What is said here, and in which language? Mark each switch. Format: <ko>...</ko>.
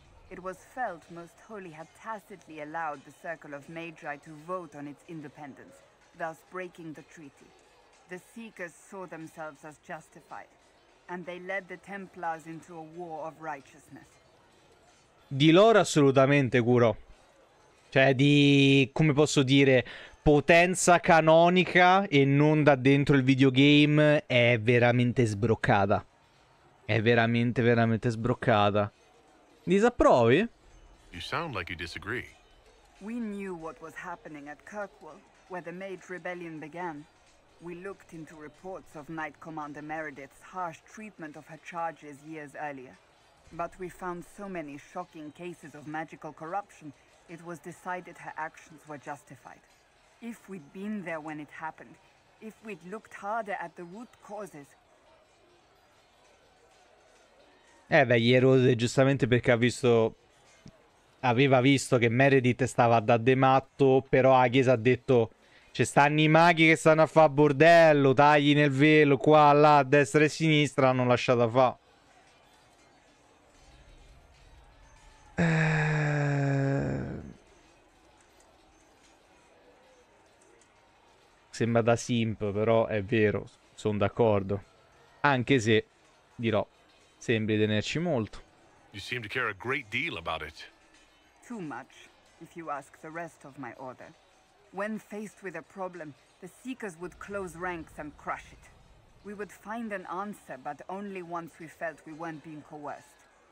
<en>It was felt Most Holy had tacitly allowed the Circle of Magi to vote on its independence, thus breaking the treaty. The Seekers saw themselves as justified, and they led the Templars into a war of righteousness.</en> <it>Di loro assolutamente, Kuro. Cioè, di, come posso dire, potenza canonica e non da dentro il videogame, è veramente sbroccata. È veramente, veramente sbroccata. Disapprovi?</it> <en>You sound like you disagree. We knew what was happening at Kirkwall, where the Mage Rebellion began. We looked into reports of Knight Commander Meredith's harsh treatment of her charges years earlier. But we found so many shocking cases of magical corruption, it was decided her actions were justified. If we'd been there when it happened, if we'd looked harder at the root causes...</en> <it>Gli erode giustamente perché aveva visto che Meredith stava da de matto, però la chiesa ha detto... Ci stanno i maghi che stanno a fare bordello, tagli nel velo, qua, là, a destra e a sinistra, hanno lasciato fa. Sembra da simp, però è vero, sono d'accordo. Anche se, dirò, sembri tenerci molto.</it> <en>You seem to care a great deal about it. Too much, if you ask the rest of my order. When faced with a problem, the Seekers would close ranks and crush it. We would find an answer, but only once we felt we weren't being coerced.</en>